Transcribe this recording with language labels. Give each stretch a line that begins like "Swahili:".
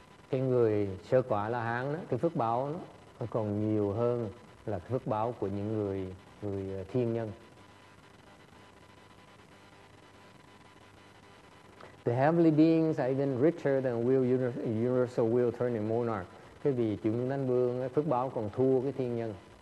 Vietnamese: Cái người sơ quả la hán đó, cái phước báo nó còn nhiều hơn là phước báo của những người thiên nhân.
English: The heavenly beings are even richer than universal wheel turning monarch.
Vietnamese: Cái vị chủ nhân thánh vương ấy, phước báo còn thua cái thiên nhân.